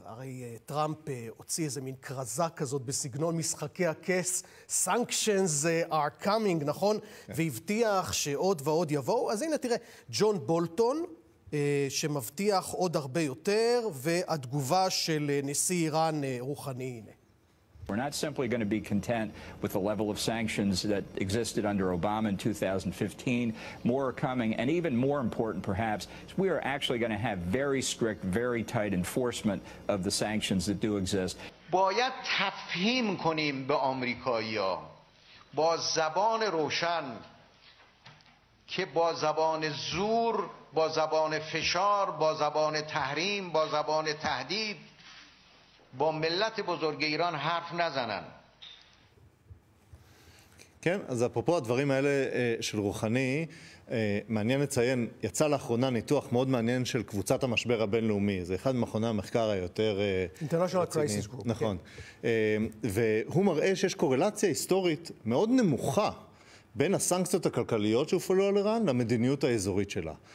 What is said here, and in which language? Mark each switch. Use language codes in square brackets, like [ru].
[he] הרי טראמפ הוציא איזה מין כרזה כזאת בסגנון משחקי הכס, [en] sanctions are coming, [he] נכון? Yeah. והבטיח שעוד ועוד יבואו. אז הנה תראה, ג'ון בולטון, שמבטיח עוד הרבה יותר, והתגובה של נשיא איראן רוחני, הנה. [en] We're not simply going to be content with the level of sanctions that existed under Obama in 2015. More are coming, and even more important, perhaps, we are actually going to have very strict, very tight enforcement of the sanctions that do exist. [fa] باید تفهیم کنیم به آمریکایی‌ها با زبان روشن که با زبان زور، با زبان فشار، با زبان تحریم، با زبان تهدید با ملت بزرگ ایران حرف نزنن. [he] כן, אז אפרופו הדברים האלה של רוחני, מעניין לציין, יצא לאחרונה ניתוח מאוד מעניין של קבוצת המשבר הבינלאומי. זה אחד ממכוני המחקר היותר... [en] International Crisis Group. [he] נכון. והוא מראה שיש קורלציה היסטורית מאוד נמוכה בין הסנקציות הכלכליות שהופעלו על איראן למדיניות האזורית שלה.